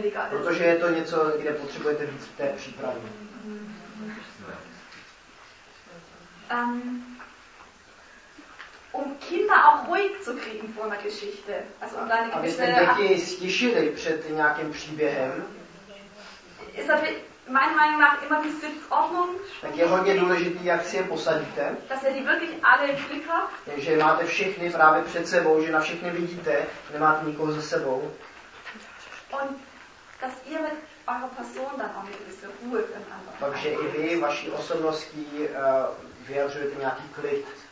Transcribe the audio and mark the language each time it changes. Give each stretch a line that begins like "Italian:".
Czech: Protože je to něco, kde potřebujete víc té přípravy.
German: Um Kinder auch ruhig zu kriegen vor einer Geschichte. Also um deine Geschichte. Aber ich denke,
Czech: stišili před nějakým příběhem.
German: Ist aber meiner Meinung nach immer die Sitzordnung.
Czech: Tak je hodně důležitý, jak si je posadíte.
German: Dass ihr die wirklich alle im Blick habt.
Czech: Takže máte všechny právě před sebou, že na všechny vidíte, nemáte nikoho za sebou.
German: Und dass ihr mit eurer Person dann auch eine gewisse Ruhe drin habt.
Czech: Takže i vy vaší osobností vyjadřujete nějaký klid.